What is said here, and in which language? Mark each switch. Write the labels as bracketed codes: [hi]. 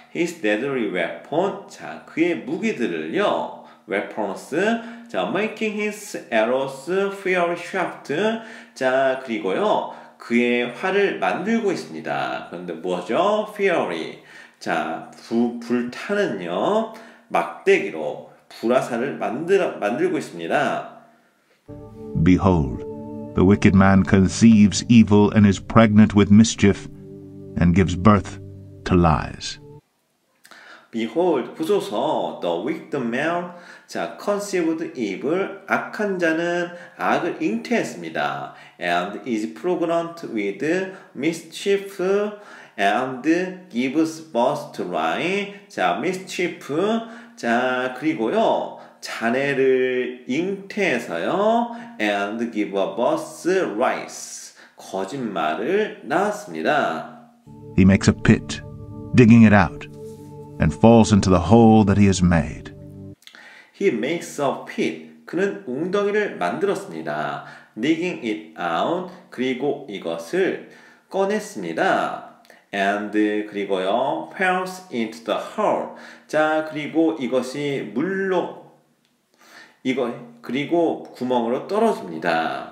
[en] His deadly weapon, [ko] 자, 그의 무기들을요, weapons, 자, [en] making his arrows fiery shafts, [ko] 자, 그리고요, 그의 활을 만들고 있습니다. 그런데 뭐죠? Fiery. 자, 불타는요, 막대기로 불화살을 만들고 있습니다. [en] Behold, the wicked man conceives evil and is pregnant with mischief and gives birth to lies. Behold, 보소서, the wicked man, 자, conceived evil, [ko] 악한 자는 악을 잉태했습니다. [en] And is pregnant with mischief and gives birth to lies. 자, mischief, 자, [ko] 그리고요, 자네를 잉태해서요, [en] and give a birth lies. [ko] 거짓말을 낳았습니다. [en] He makes a pit, digging it out, and falls into the hole that he has made. He makes a pit. [ko] 그는 웅덩이를 만들었습니다. [en] Digging it out. [ko] 그리고 이것을 꺼냈습니다. [en] And [ko] 그리고요, [en] falls into the hole. [ko] 자, 그리고 이것이 물로 이거 그리고 구멍으로 떨어집니다.